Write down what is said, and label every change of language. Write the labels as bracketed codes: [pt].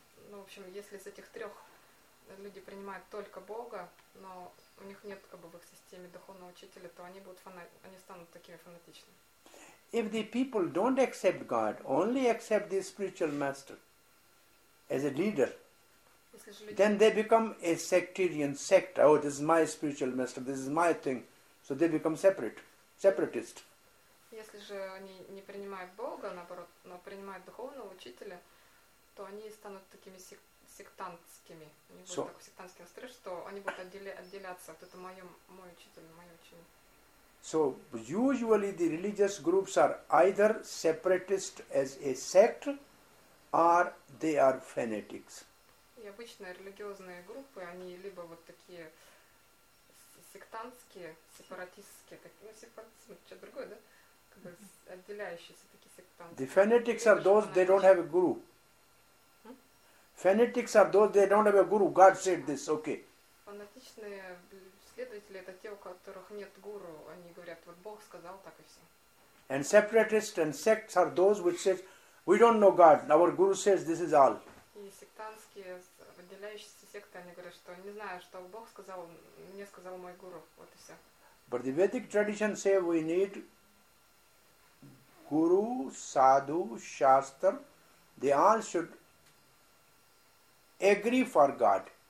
[ru] Ну, в общем, если из этих трех люди принимают только Бога, но у них нет как бы в их системе духовного учителя, то они будут они станут такими фанатичными. [en] If the people don't accept God, only accept the spiritual master as a leader, then they become a sectarian sect. Oh, this is my spiritual master, this is my thing. So they become separatist. [ru] Если же они не принимают Бога, наоборот, но принимают духовного учителя, то они станут такими сектантскими. Они будут так сектантским настроить, что они будут отделяться. Вот это мой учитель, мое учение. [en] So usually the religious groups are either separatist as a sect, or they are fanatics. [ru] И обычно религиозные группы они либо вот такие сектантские, сепаратистские, такие, ну сепаратизм это что-то другое, да, как бы отделяющиеся такие сектанты. [en] The fanatics are those they don't have a guru. Fanatics are those, they don't have a guru. God said this, okay. [ru] Фанатичные следователи — это те, у которых нет гуру. Они говорят, вот Бог сказал, так и все. [en] And separatists and sects are those which say, we don't know God. Our guru says this is all. [ru] И сектантские, выделяющиеся секты, они говорят, что не знаю, что Бог сказал, мне сказал мой гуру. Вот и все. [en] But the Vedic tradition say we need guru, sadhu, shastra. They all should agree for God.